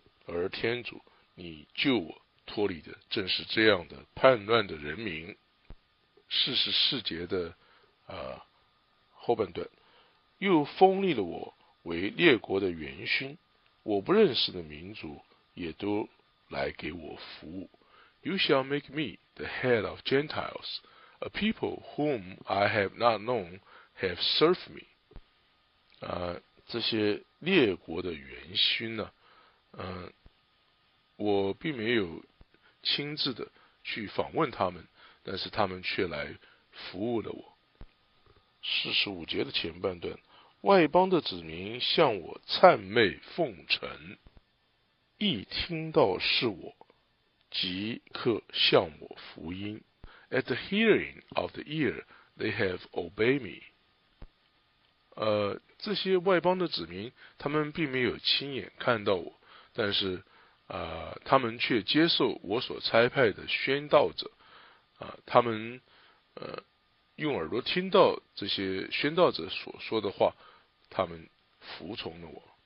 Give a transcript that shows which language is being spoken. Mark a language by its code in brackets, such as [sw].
[zh] 而天主，你救我脱离的正是这样的叛乱的人民。 44节的后半段，又封立了我为列国的元勋，我不认识的民族也都来给我服务。 [en] You shall make me the head of Gentiles, a people whom I have not known have served me。 [zh] 这些列国的元勋呢，我并没有亲自的去访问他们，但是他们却来服务了我。 45节的前半段，外邦的子民向我赞美奉承，一听到是我，即刻向我福音。 [en] At the hearing of the ear, they have obeyed me。 [zh] 这些外邦的子民，他们并没有亲眼看到我，但是他们却接受我所差派的宣道者。他们用耳朵听到这些宣道者所说的话，他们服从了我。